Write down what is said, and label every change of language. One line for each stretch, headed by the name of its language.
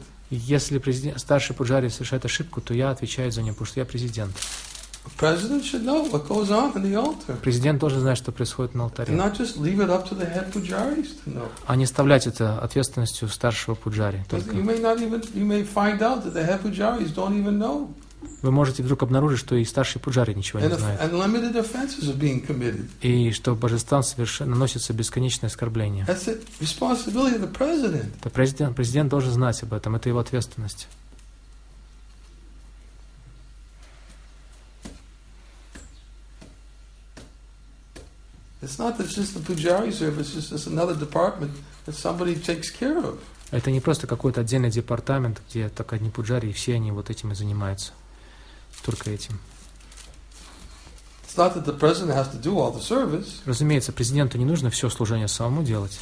Russian: Если старший пуджари совершает ошибку, то я отвечаю за него, потому что я президент.
English: President should know what goes on in the altar.
Russian: Президент должен знать, что происходит на алтаре.
English: And not just leave it up to the head pujaris to know.
Russian: А не оставлять это ответственностью старшего пуджари.
English: You may find out that the head pujaris don't even know.
Russian: Вы можете вдруг обнаружить, что и старший пуджари ничего не знает.
English: And unlimited offenses are being committed.
Russian: И что божествам наносится бесконечное оскорбление.
English: That's the responsibility of the president.
Russian: Это президент. Президент должен знать об этом. Это его ответственность.
English: It's not that it's just the pujari service, it's just another department that somebody takes care of.
Russian: Это не просто какой-то отдельный департамент, где так одни пуджари, и все они вот этим и занимаются. Только этим.
English: It's not that the president has to do all the service.
Russian: Разумеется, президенту не нужно все служение самому делать.